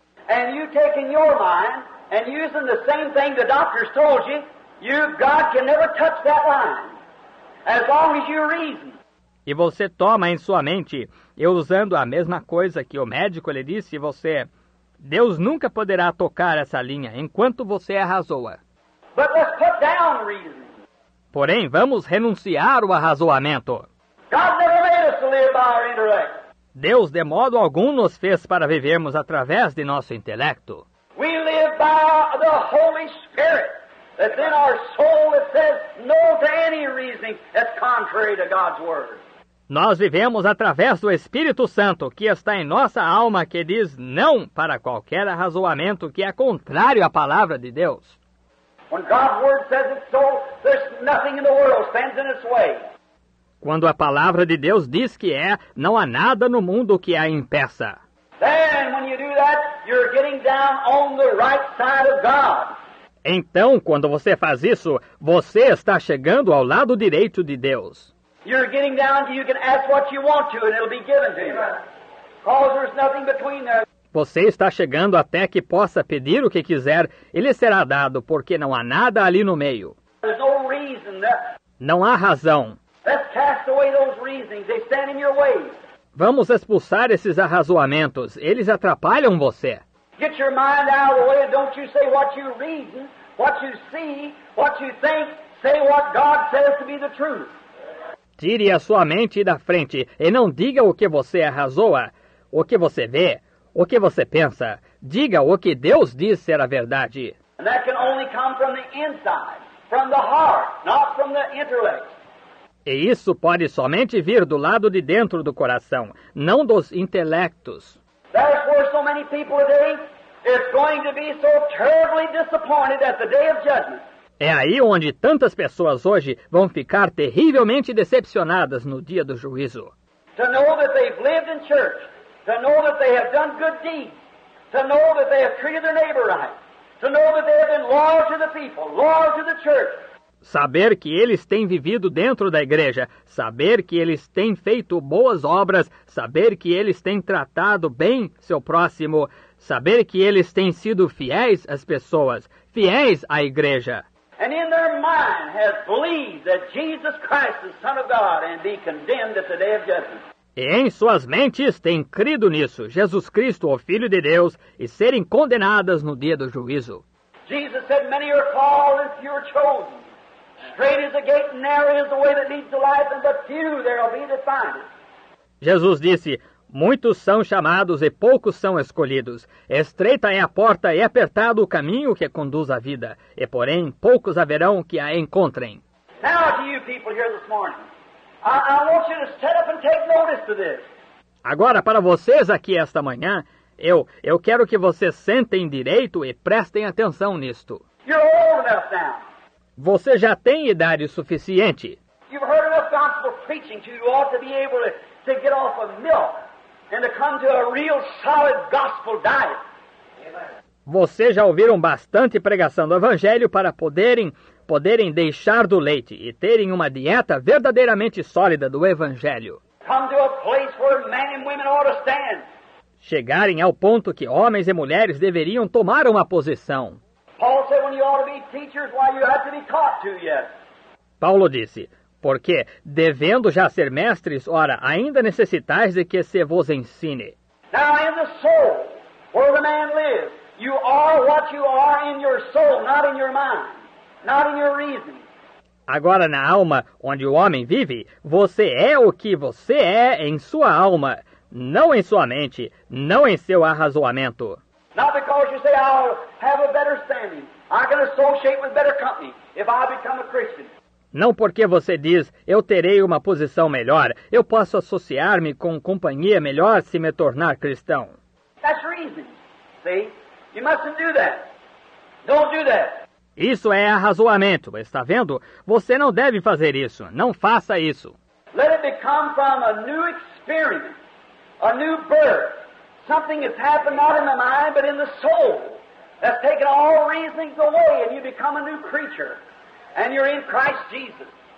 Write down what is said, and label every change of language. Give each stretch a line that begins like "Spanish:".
English: And you taking your mind and using the same thing the doctors told you, you, God can never touch that line, as long as you reason.
Portuguese: E você toma em sua mente, e usando a mesma coisa que o médico lhe disse, você, Deus nunca poderá tocar essa linha enquanto você arrazoa.
English: But let's put down reason.
Portuguese: Porém, vamos renunciar o arrazoamento.
English: God never made us to live by our intellect.
Portuguese: Deus, de modo algum, nos fez para vivermos através de nosso intelecto.
English: We live by the Holy Spirit that's in our soul that says no to any reasoning that's contrary to God's word.
Portuguese: Nós vivemos através do Espírito Santo que está em nossa alma que diz não para qualquer arrazoamento que é contrário à palavra de Deus.
English: When God's word says it's so, there's nothing in the world stands in its way.
Portuguese: Quando a palavra de Deus diz que é, não há nada no mundo que a impeça.
English: Then when you do that, you're getting down on the right side of God.
Portuguese: Então, quando você faz isso, você está chegando ao lado direito de Deus.
English: You're getting down to you can ask what you want to and it'll be given to you. Because there's nothing between there.
Portuguese: Você está chegando até que possa pedir o que quiser, ele será dado, porque não há nada ali no meio.
English: No reason,
Portuguese: não há razão.
English: Let's cast away those reasons. They stand in your way.
Portuguese: Vamos expulsar esses arrazoamentos. Eles atrapalham você.
English: Get your mind out of the way. Don't you say what you reason, what you see, what you think. Say what God says to be the truth.
Portuguese: Tire a sua mente da frente e não diga o que você arrazoa, o que você vê. O que você pensa? Diga o que Deus diz ser a verdade.
English: And that can only come from the inside, from the heart, not from the intellect.
Portuguese: E isso pode somente vir do lado de dentro do coração, não dos intelectos.
English: Therefore, so many people today is going to be so terribly disappointed at the day of judgment.
Portuguese: É aí onde tantas pessoas hoje vão ficar terrivelmente decepcionadas no dia do juízo.
English: To know that they've lived in church. To know that they have done good deeds. To know that they have treated their neighbor right. To know that they have been loyal to the people, loyal to the church.
Portuguese: Saber que eles têm vivido dentro da igreja. Saber que eles têm feito boas obras. Saber que eles têm tratado bem seu próximo. Saber que eles têm sido fiéis às pessoas. Fiéis à igreja.
English: And in their mind have believed that Jesus Christ is Son of God and be condemned at the day of judgment.
Portuguese: E em suas mentes têm crido nisso, Jesus Cristo, o Filho de Deus, e serem condenadas no dia do juízo.
English: Jesus said, many are called and few are chosen. Straight is the gate and narrow is the way that leads to life, and but few there will be that find it.
Portuguese: Jesus disse, Muitos são chamados e poucos são escolhidos. Estreita é a porta e apertado o caminho que conduz à vida. E, porém, poucos haverão que a encontrem.
English: Now to you people here this morning. I want you to set up and take notice of this.
Portuguese: Agora, para vocês aqui esta manhã, eu quero que vocês sentem direito e prestem atenção nisto.
English: You're old enough now.
Portuguese: Você já tem idade suficiente.
English: You've heard enough gospel preaching to you ought to be able to get off of milk and to come to a real solid gospel diet.
Portuguese: Você já ouviram bastante pregação do evangelho para poderem deixar do leite e terem uma dieta verdadeiramente sólida do evangelho.
English: Come to a place where men and women ought to stand.
Portuguese: Chegarem ao ponto que homens e mulheres deveriam tomar uma posição.
English: Paul said when you ought to be teachers, why you have to be taught to you.
Portuguese: Paulo disse, porque devendo já ser mestres, ora, ainda necessitais de que se vos ensine.
English: Now in the soul, where the man lives, you are what you are in your soul, not in your mind, not in your reason.
Portuguese: Agora na alma, onde o homem vive, você é o que você é em sua alma, não em sua mente, não em seu arrazoamento.
English: Not because you say I'll have a better standing, I can associate with better company if I become a Christian.
Portuguese: Não porque você diz, eu terei uma posição melhor, eu posso associar-me com companhia melhor se me tornar cristão.
English: That's reason, see? You mustn't do that. Don't do that.
Portuguese: Isso é arrazoamento, está vendo? Você não deve fazer isso. Não faça isso.
English: Let it become from a new experience, a new birth. Something has happened not in the mind, but in the soul. That's taken all reasonings away and you become a new creature. And you're in Christ Jesus.